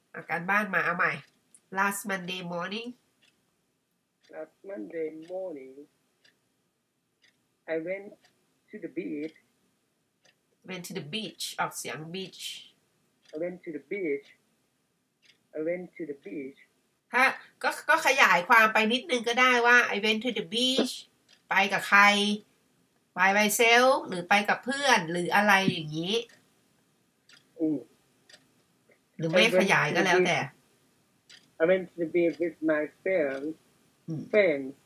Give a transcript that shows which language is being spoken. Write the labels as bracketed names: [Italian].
[Thai] การบ้านมาเอาใหม่ [English] last Monday morning last Monday morning I went to the beach went to the beach [Thai] ออกเสียง [English] beach I went to the beach I went to the beach [Thai] ถ้าก็ขยายความไปนิดนึงก็ได้ว่า [English] I went to the beach [Thai] ไปกับใคร [English] by myself [Thai] หรือไปกับเพื่อนหรืออะไรอย่างนี้หรือไม่ขยายก็แล้วแต่ [English] I went to the beach with my friend